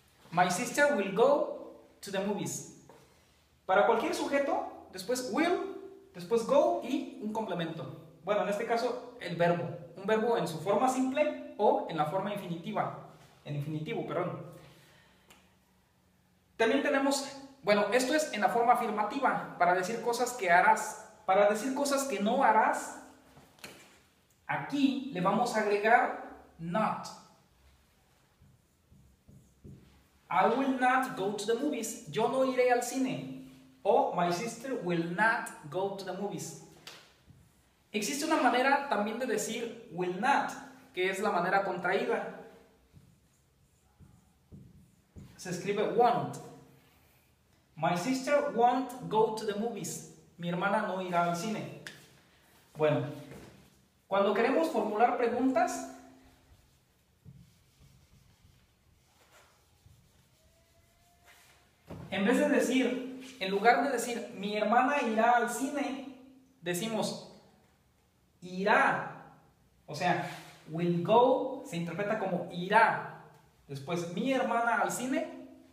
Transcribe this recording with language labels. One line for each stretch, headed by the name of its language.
English: My sister will go to the movies.
Spanish: Para cualquier sujeto, después will, después go y un complemento. Bueno, en este caso, el verbo. Un verbo en su forma simple o en la forma infinitiva. En infinitivo, perdón. También tenemos, bueno, esto es en la forma afirmativa, para decir cosas que harás. Para decir cosas que no harás, aquí le vamos a agregar not.
English: I will not go to the movies.
Spanish: Yo no iré al cine.
English: O my sister will not go to the movies.
Spanish: Existe una manera también de decir will not, que es la manera contraída. Se escribe won't.
English: My sister won't go to the movies.
Spanish: Mi hermana no irá al cine. Bueno, cuando queremos formular preguntas, en lugar de decir mi hermana irá al cine, decimos irá, o sea, will go se interpreta como irá, después mi hermana al cine.